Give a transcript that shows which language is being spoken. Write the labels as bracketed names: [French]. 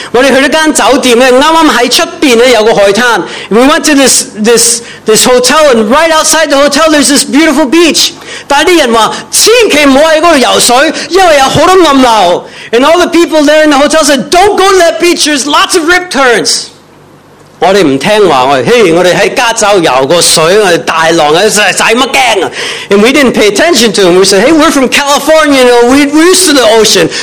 [Cantonese] 我哋去咗间酒店咧，啱啱喺出边咧有个海滩。 [English] We went to this hotel, and right outside the hotel, there's this beautiful beach. [Cantonese] 但啲人话千祈唔好喺嗰度游水，因为有好多暗流。 [English] And all the people there in the hotel said, "Don't go to that beach. There's lots of rip currents." [Cantonese] 我哋唔听话，我哋，嘿，我哋喺加州游过水，我哋大浪啊，使乜惊啊？ [English] And we didn't pay attention to him. We said, "Hey, we're from California, you know, we're used to the ocean.